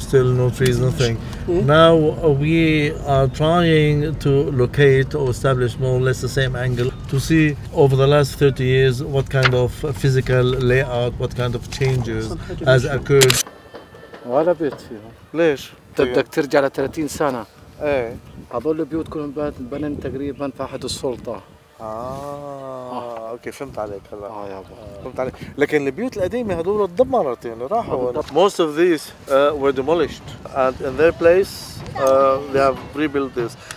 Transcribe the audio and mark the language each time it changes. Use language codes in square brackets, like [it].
[en] Still no trees, nothing. Now we are trying to locate or establish more or less the same angle to see over the last 30 years what kind of physical layout, what kind of changes has occurred. [ar] ولا بيت فيها. ليش؟ تبدأ ترجع ل 30 سنة. إيه. هذول البيوت كلهم بنين تقريبا تحت السلطة. اوكي فهمت عليك هلا. يابا فهمت عليك. لكن البيوت القديمه هذول تدمرت، يعني راحوا. [en] Most of these were demolished and in their place they have rebuilt this.